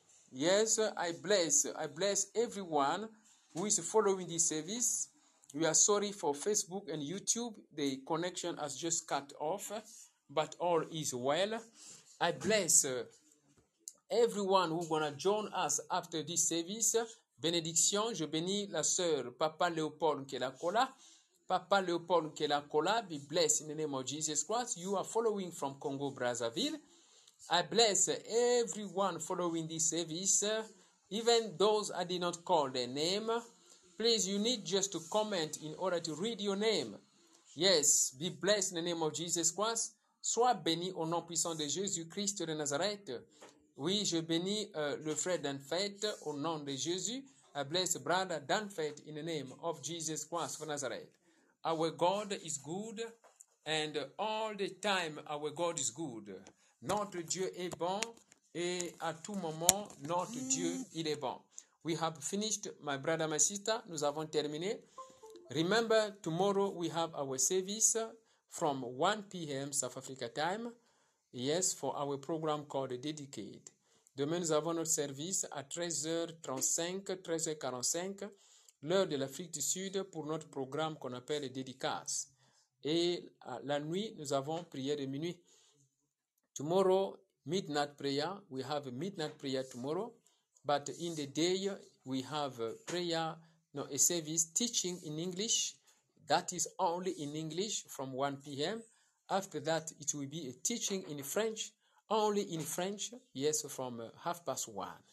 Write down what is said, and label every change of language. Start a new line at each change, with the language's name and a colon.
English: Yes, I bless everyone who is following this service. We are sorry for Facebook and YouTube. The connection has just cut off, but all is well. I bless everyone who gonna join us after this service.
French: Bénédiction, je bénis la sœur Papa Léopold Kelakola.
English: Papa Léopold Kelakola, be blessed in the name of Jesus Christ. You are following from Congo Brazzaville. I bless everyone following this service, even those I did not call their name. Please, you need just to comment in order to read your name. Yes, be blessed in the name of Jesus Christ.
French: Sois béni au nom puissant de Jésus-Christ de Nazareth. Oui, je bénis le frère Danfait au nom de Jésus.
English: I bless brother Danfait in the name of Jesus Christ of Nazareth. Our God is good, and all the time our God is good.
French: Notre Dieu est bon, et à tout moment, notre Dieu, il est bon.
English: We have finished, my brother, my sister.
French: Nous avons terminé.
English: Remember, tomorrow we have our service from 1 p.m. South Africa time. Yes, for our program called Dedicate.
French: Demain, nous avons notre service à 13h45, l'heure de l'Afrique du Sud, pour notre programme qu'on appelle Dédicace. Et la nuit, nous avons prière de minuit.
English: Tomorrow, midnight prayer. We have a midnight prayer tomorrow. But in the day, we have a prayer, no, a service teaching in English. That is only in English from 1 p.m. After that, it will be a teaching in French, only in French, yes, from 1:30.